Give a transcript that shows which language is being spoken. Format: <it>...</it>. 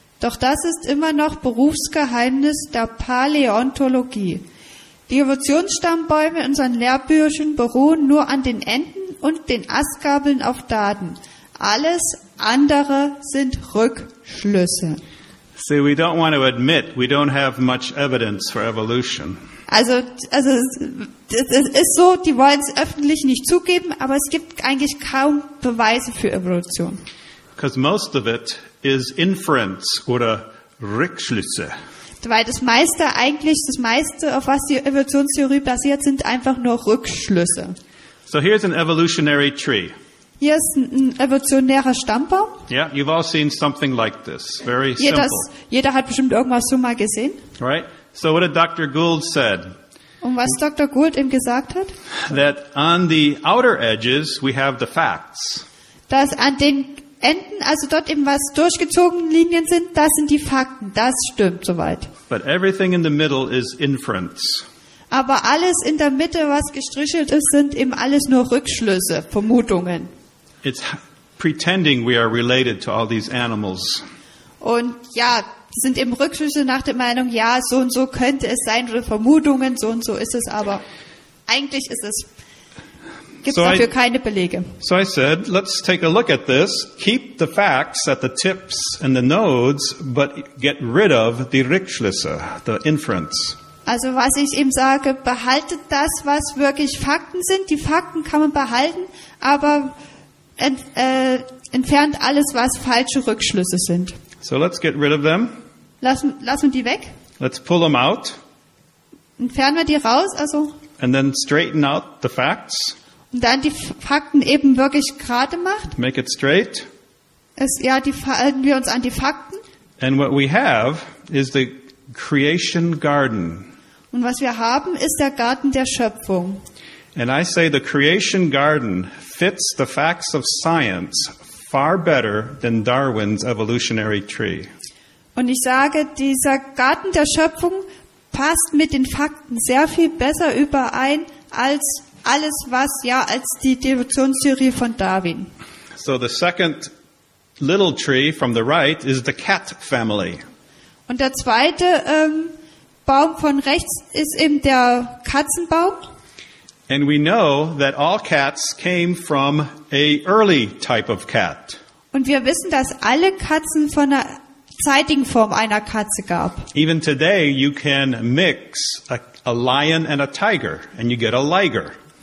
<de>Doch das ist immer noch Berufsgeheimnis der Paläontologie. Die Evolutionsstammbäume in unseren Lehrbüchern beruhen nur an den Enden und den Astgabeln auf Daten. Alles andere sind Rückschlüsse.</de> <en>See, we don't want to admit we don't have much evidence for evolution.</en> <de>Also es ist so, die wollen es öffentlich nicht zugeben, aber es gibt eigentlich kaum Beweise für Evolution.</de> <en>Because most of it is inference</en> <de>oder Rückschlüsse. Weil das meiste, auf was die Evolutionstheorie basiert, sind einfach nur Rückschlüsse.</de> <en>So here's an evolutionary tree.</en> <de>Hier ist ein evolutionärer Stammbaum.</de> <en>Yeah, you've all seen something like this. Very simple.</en> <de>Jeder hat bestimmt irgendwas so mal gesehen.</de> <en>Right? So what did Dr. Gould said?</en> <de>Und was Dr. Gould eben gesagt hat?</de> <en>That on the outer edges we have the facts.</en> <de>Dass an den Enden, also dort eben was durchgezogene Linien sind, das sind die Fakten. Das stimmt soweit.</de> <en>But everything in the middle is inference.</en> <de>Aber alles in der Mitte, was gestrichelt ist, sind eben alles nur Rückschlüsse, Vermutungen.</de> <en>It's pretending we are related to all these animals.</en> <de>Und ja, sind eben Rückschlüsse nach der Meinung, ja, so und so könnte es sein, oder Vermutungen, so und so ist es, aber eigentlich ist es, gibt es dafür keine Belege.</de> <en>So I said, let's take a look at this, keep the facts at the tips and the nodes, but get rid of the</en> <de>Rückschlüsse,</de> <en>the inference.</en> <de>Also was ich eben sage, behaltet das, was wirklich Fakten sind. Die Fakten kann man behalten, aber entfernt alles, was falsche Rückschlüsse sind.</de> <en>So let's get rid of them.</en> <de>Lassen die weg.</de> <en>Let's pull them out.</en> <de>Entfernen wir die raus, also.</de> <en>And then straighten out the facts.</en> <de>Und dann die Fakten eben wirklich gerade macht.</de> <en>Make it straight.</en> <de>Halten wir uns an die Fakten.</de> <en>And what we have is the creation garden.</en> <de>Und was wir haben, ist der Garten der Schöpfung.</de> <en>And I say the creation garden fits the facts of science far better than Darwin's evolutionary tree.</en> <de>Und ich sage, dieser Garten der Schöpfung passt mit den Fakten sehr viel besser überein als alles, was ja als die Evolutionstheorie von Darwin.</de> <en>So the second little tree from the right is the cat family.</en> <de>Und der zweite Baum von rechts ist eben der Katzenbaum.</de> <en>And we know that all cats came from a early type of cat.</en> <de>Und wir wissen, dass alle Katzen von einer zeitigen Form einer Katze gab.</de> <en>Even today you can mix a lion and a tiger and you get a liger.</en>